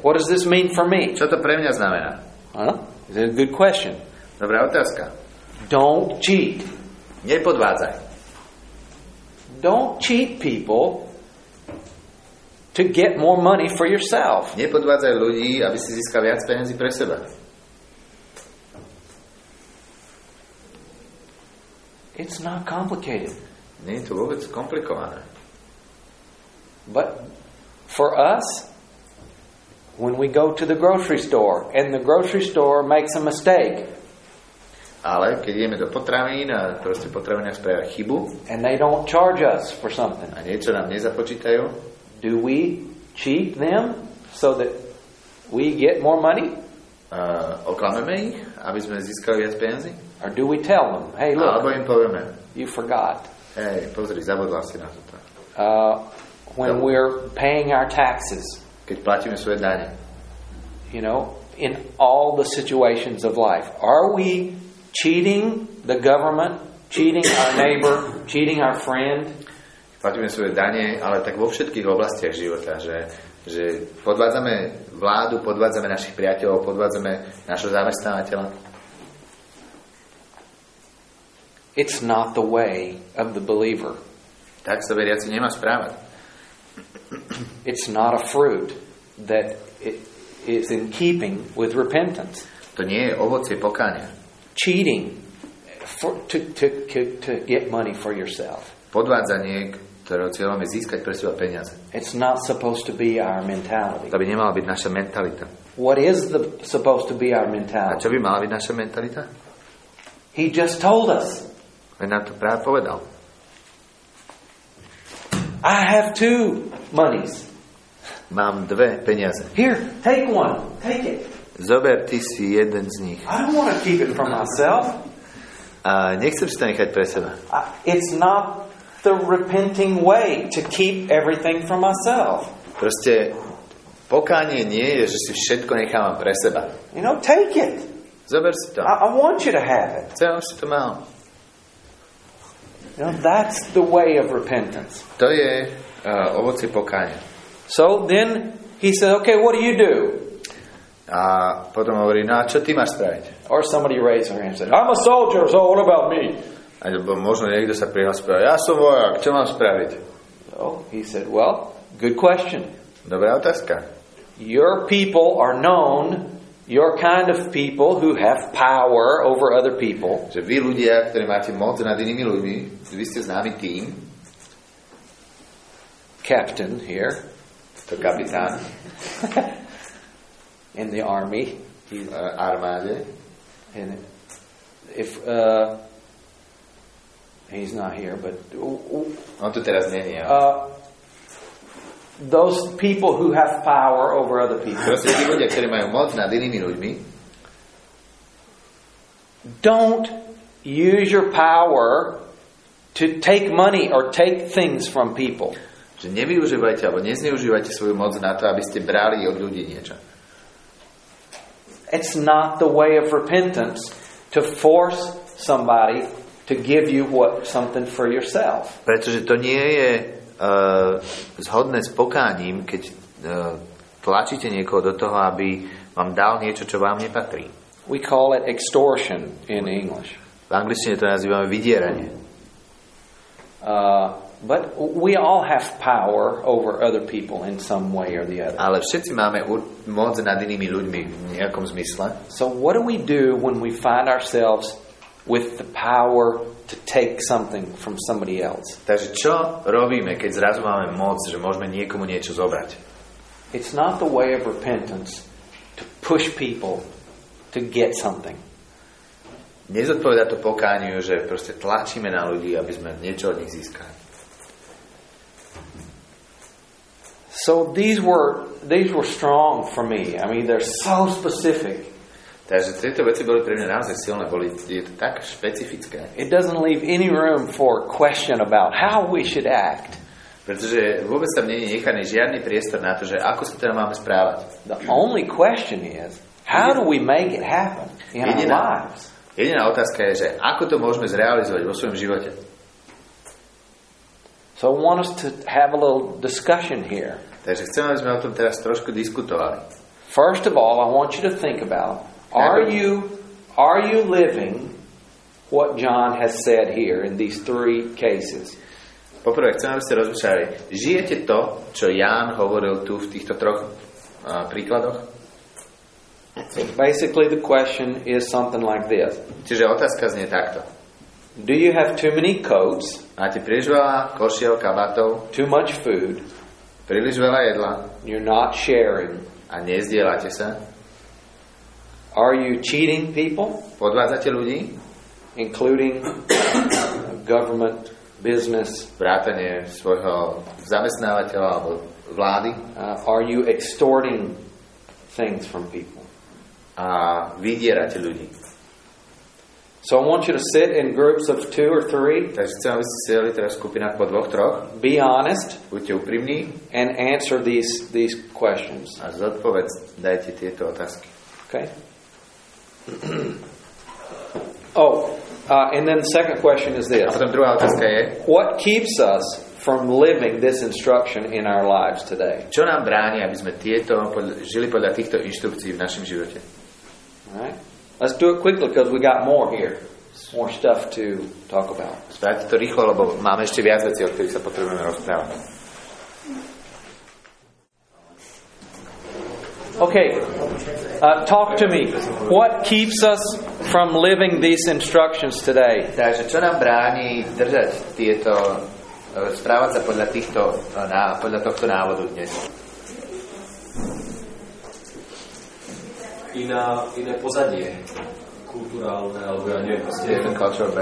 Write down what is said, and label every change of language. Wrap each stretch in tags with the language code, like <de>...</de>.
<en>What does this mean for me?</en> <sk>Čo to pre mňa znamená?</sk> <en>Is that a good question?</en> <sk>Dobrá otázka.</sk> <en>Don't cheat.</en> <sk>Nepodvádzaj.</sk> <en>Don't cheat people to get more money for yourself.</en> <sk>Nepodvádzaj ľudí, aby si získal viac peniazy pre seba.</sk> <en>It's not complicated.</en> <sk>Nie je to vôbec komplikované.</sk> <en>But for us, when we go to the grocery store and the grocery store makes a mistake.</en> <sk>Ale keď ideme do potravín a proste potravina spraví chybu.</sk> <en>And they don't charge us for something.</en> <sk>A niečo nám nezapočítajú.</sk> <en>Do we cheat them so that we get more money?</en> <sk>Oklameme ich, aby sme získali viac peniazy?</sk> <en>Or do we tell them, hey, look,</en> <sk>alebo im povieme,</sk> <en>you forgot.</en> <sk>Hey, pozri, zabudla si na toto.</sk> <en>When we're paying our taxes.</en> <sk>Keď platíme svoje dane.</sk> <en>You know, in all the situations of life. Are we cheating the government, cheating our neighbor, cheating our friend?</en> <sk>Platíme svoje dane, ale tak vo všetkých oblastiach života, že podvádzame vládu, podvádzame našich priateľov, podvádzame našho zamestnávateľa.</sk> <en>It's not the way of the believer.</en> <sk>Tak sa veriaci nemá správať.</sk> <en>It's not a fruit that is in keeping with repentance.</en> <sk>To nie je ovocie pokánia.</sk> <en>Cheating to get money for yourself.</en> <sk>Podvádzanie, ktorého cieľom je získať pre seba peniaze.</sk> <en>It's not supposed to be our mentality.</en> <sk>To by nemala byť naša mentalita.</sk> <en>What is the supposed to be our mentality?</en> <sk>A čo by mala byť naša mentalita?</sk> <en>He just told us.</en> <sk>Len nám to práve povedal.</sk> <en>I have two monies.</en> <sk>Mám dve peniaze.</sk> <en>Here, take one. Take it.</en> <sk>Zober ty si jeden z nich.</sk> <en>I don't want to keep it for myself.</en> <sk>A nechcem si to nechať pre seba.</sk> <en>It's not the repenting way to keep everything for myself.</en> <sk>Proste pokánie nie je, že si všetko nechávam pre seba.</sk> <en>You know, take it.</en> <sk>Zober si to.</sk> <en>I want you to have it.</en> <sk>Chcem, aby si to mal.</sk> <en>You know, that's the way of repentance.</en> <sk>To je ovocie pokánia.</sk> <en>So then he said, okay, what do you do?</en> <sk>A potom hovorí, no a čo ty máš spraviť?</sk> <en>Or somebody raised their hand and said, I'm a soldier, so what about me?</en> <sk>Alebo možno niekto sa prihlásil, ja som vojak, čo mám spraviť?</sk> <en>Oh, he said, well, good question.</en> <sk>Dobrá otázka.</sk> <en>Your people are known, your kind of people who have power over other people.</en> <sk>Že vy ľudia, ktorí máte moc nad inými ľuďmi, vy ste známi tým.</sk> <en>Captain here.</en> <sk>To kapitán.</sk> <en>In the army.</en> <sk>He's armáde.</sk> <en>And if he's not here, but</en> <sk>on to teraz nie je.</sk> <en>Those people who have power over other people.</en> <sk>Proste tí ľudia, ktorí majú moc nad inými ľuďmi.</sk> <en>Don't use your power to take money or take things from people.</en> <sk>Že nevyužívajte alebo nezneužívajte svoju moc na to, aby ste brali od ľudí niečo.</sk> <en>It's not the way of repentance to force somebody to give you what something for yourself.</en> <sk>Pretože to nie je zhodné s pokáním, keď tlačíte niekoho do toho, aby vám dal niečo, čo vám nepatrí.</sk> <en>We call it extortion in English.</en> <sk>V angličtine to nazývame vydieranie.</sk> <en>But we all have power over other people in some way or the other.</en> <sk>Ale všetci máme moc nad inými ľuďmi v nejakom zmysle.</sk> <en>So what do we do when we find ourselves with the power to take something from somebody else?</en> <sk>Takže čo robíme, keď zrazu máme moc, že môžeme niekomu niečo zobrať?</sk> <en>It's not the way of repentance to push people to get something.</en> <sk>Nezodpovedá to pokániu, že proste tlačíme na ľudí, aby sme niečo od nich získali.</sk> <en>So these were strong for me. I mean, they're so specific.</en> <sk>Takže tieto veci boli pre mňa naozaj silné, boli tak špecifické.</sk> <en>It doesn't leave any room for question about how we should act.</en> <sk>Pretože vôbec tam nie je nechaný žiadny priestor na to, že ako sa teda máme správať.</sk> <en>The only question is, how do we make it happen in our lives?</en> <sk>Jediná otázka je, že ako to môžeme zrealizovať vo svojom živote.</sk> <en>So I want us to have a little discussion here.</en> <sk>Takže chcem, aby sme o tom teraz trošku diskutovali.</sk> <en>First of all, I want you to think about, are you living what John has said here in these three cases?</en> <sk>Poprvé, chcem, aby ste rozmýšľali, žijete to, čo Ján hovoril tu v týchto troch príkladoch?</sk> <en>So basically the question is something like this.</en> <sk>Čiže otázka znie takto.</sk> <en>Do you have too many coats?</en> <sk>Máte príliš veľa košiel, kabátov?</sk> <en>Too much food?</en> <sk>Príliš veľa jedla?</sk> <en>You're not sharing?</en> <sk>A nezdieľate sa?</sk> <en>Are you cheating people?</en> <sk>Podvádzate ľudí?</sk> <en>Including government, business?</en> <sk>Vrátane svojho zamestnávateľa alebo vlády?</sk> <en>Are you extorting things from people?</en> <sk>A vydierate ľudí.</sk> <en>So I want you to sit in groups of two or three.</en> <sk>Takže chcem, aby ste sedeli teraz v skupinách po dvoch, troch.</sk> <en>Be honest.</en> <sk>Buďte úprimní.</sk> <en>And answer these questions.</en> <sk>A zodpovedz, dajte tieto otázky.</sk> <en>Okay. Oh, and then the second question is this.</en> <sk>A potom druhá otázka je.</sk> <en>What keeps us from living this instruction in our lives today?</en> <sk>Čo nám bráni, aby sme tieto žili podľa týchto inštrukcií v našom živote?</sk> <en>Right. Let's do it quickly because we got more here. More stuff to talk about.</en> <sk>Spravte to rýchlo, lebo máme ešte viac vecí, o ktorých sa potrebujeme rozprávať.</sk> <en>Okay. Talk to me. What keeps us from living these instructions today?</en> <sk>Takže čo nám bráni držať tieto správať sa podľa týchto podľa tohto návodu dnes. Iné pozadie kulturálne alebo ja neviem, proste</sk>